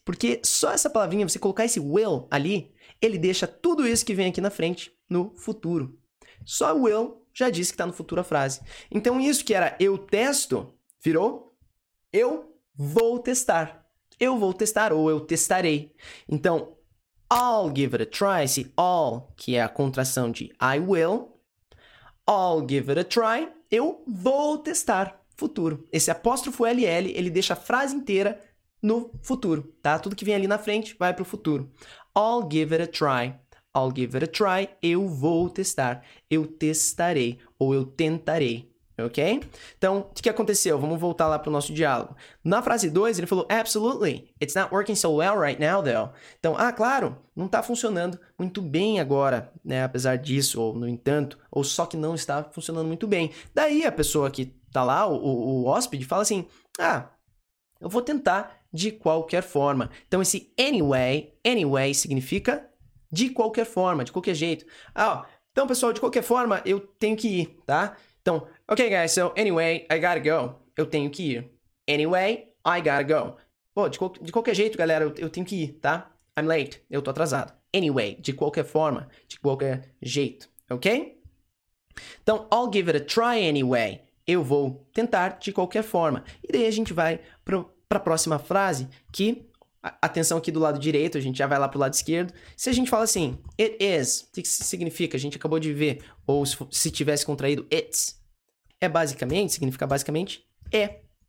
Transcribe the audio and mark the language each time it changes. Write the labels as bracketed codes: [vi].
[pt] Porque só essa palavrinha, você colocar esse will ali, ele deixa tudo isso que vem aqui na frente no futuro. Só will. Já disse que está no futuro a frase. Então, isso que era eu testo, virou eu vou testar. Eu vou testar ou eu testarei. Então, [en] I'll give it a try, [pt] esse all, que é a contração de I will. [en] I'll give it a try, [pt] eu vou testar. Futuro. Esse apóstrofo LL, ele deixa a frase inteira no futuro, tá? Tudo que vem ali na frente vai para o futuro. [en] I'll give it a try. I'll give it a try, [pt] eu vou testar, eu testarei ou eu tentarei, ok? Então, o que aconteceu? Vamos voltar lá para o nosso diálogo. Na frase 2, ele falou: [en] "Absolutely, it's not working so well right now, though." [pt] Então, claro, não está funcionando muito bem agora, né? Apesar disso, ou no entanto, ou só que não está funcionando muito bem. Daí a pessoa que está lá, o hóspede, fala assim: "Ah, eu vou tentar de qualquer forma." Então, esse anyway significa de qualquer forma, de qualquer jeito. Ah, então, pessoal, de qualquer forma, eu tenho que ir, tá? [en] Então, ok, guys, so anyway, I gotta go. [pt] Eu tenho que ir. [en] Anyway, I gotta go. [pt] Pô, de qualquer jeito, galera, eu tenho que ir, tá? [en] I'm late. [pt] Eu tô atrasado. Anyway, de qualquer forma, de qualquer jeito, ok? [en] Então, I'll give it a try anyway. [pt] Eu vou tentar de qualquer forma. E daí a gente vai pra próxima frase que. Atenção aqui do lado direito, a gente já vai lá pro lado esquerdo. Se a gente fala assim, it is, o que isso significa? A gente acabou de ver. Ou se tivesse contraído, it's. É basicamente, significa basicamente é.